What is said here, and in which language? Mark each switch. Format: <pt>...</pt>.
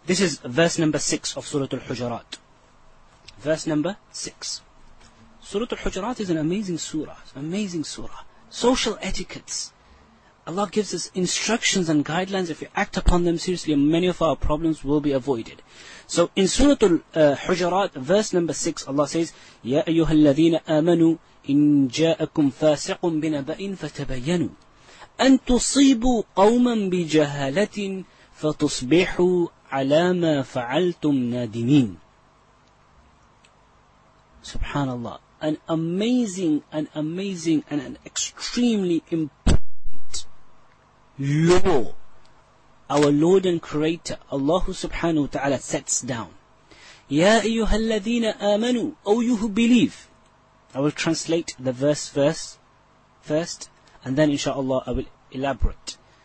<en>This is verse number 6 of Surah Al-Hujarat. Verse number 6. Surah Al-Hujarat is an amazing surah. Social etiquettes. Allah gives us instructions and guidelines. If you act upon them seriously, many of our problems will be avoided. So in Surah Al-Hujarat, verse number 6, Allah says,</en> <ar>يَا أَيُّهَا الَّذِينَ آمَنُوا إِن جَاءَكُمْ فَاسِقٌ بِنَبَئٍ فَتَبَيَّنُوا أَن تُصِيبُوا قَوْمًا بِجَهَالَةٍ فَتُصْبِحُوا عَلَى مَا فَعَلْتُمْ نَادِمِينَ.</ar> <en>Subhanallah. An amazing and an extremely important law our Lord and Creator, Allah subhanahu wa ta'ala, sets down.</en> <ar>يَا أَيُّهَا الَّذِينَ آمَنُوا.</ar> <en>O you who believe. I will translate the verse first, and then inshaAllah I will elaborate.</en>